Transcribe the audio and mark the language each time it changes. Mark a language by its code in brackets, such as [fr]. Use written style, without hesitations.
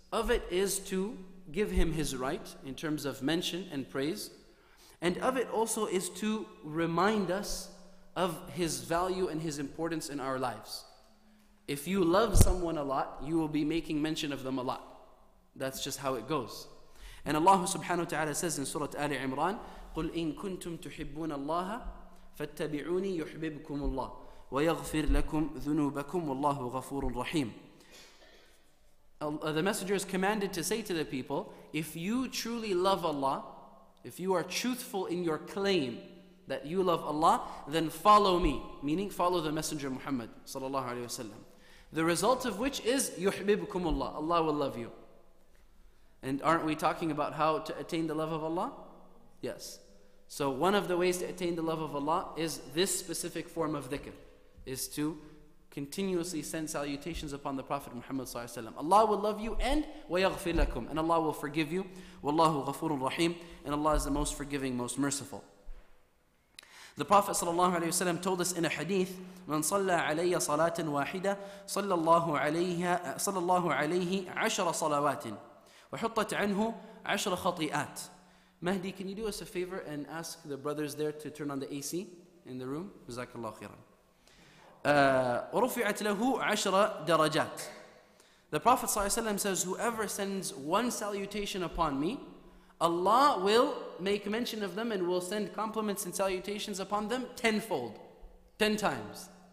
[en] Of it is to give him his right in terms of mention and praise. And of it also is to remind us of his value and his importance in our lives. If you love someone a lot, you will be making mention of them a lot. That's just how it goes. And Allah subhanahu wa ta'ala says in Surah Ali Imran, [ar] قُلْ إِن كُنْتُمْ تُحِبُّونَ اللَّهَ فَاتَّبِعُونِي يُحْبِبْكُمُ اللَّهِ وَيَغْفِرْ لَكُمْ ذُنُوبَكُمْ وَاللَّهُ غَفُورٌ رَحِيمٌ. [en] The messenger is commanded to say to the people, if you truly love Allah, if you are truthful in your claim that you love Allah, then follow me, meaning follow the messenger Muhammad sallallahu alaihi wasallam. The result of which is [ar] يُحْبِبْكُمُ اللَّهِ, [en] Allah will love you. And aren't we talking about how to attain the love of Allah? Yes. So one of the ways to attain the love of Allah is this specific form of dhikr, is to continuously send salutations upon the Prophet Muhammad sallallahu alaihi wasallam. Allah will love you and [ar] وَيَغْفِرْ لَكُمْ, [en] and Allah will forgive you. [ar] وَاللَّهُ غَفُورٌ رَحِيمٌ, [en] and Allah is the most forgiving, most merciful. The Prophet sallallahu alaihi wasallam told us in a hadith, [ar] مَنْ صَلَّى عَلَيَّ صَلَاةً وَاحِدَةً صَلَّى اللَّهُ عَلَيْهِ عَشَرَ صَلَوَاتٍ وَحُطَّتْ عَنْهُ عَشَرَ خَطِئَاتٍ. [en] Mahdi, can you do us a favor and ask the brothers there to turn on the AC in the room? [ar] Jazakallahu khairan. وَرُفِعَتْ لَهُ عَشْرَ دَرَجَاتٍ. [en] The Prophet ﷺ says, whoever sends one salutation upon me, Allah will make mention of them and will send compliments and salutations upon them tenfold, 10 times.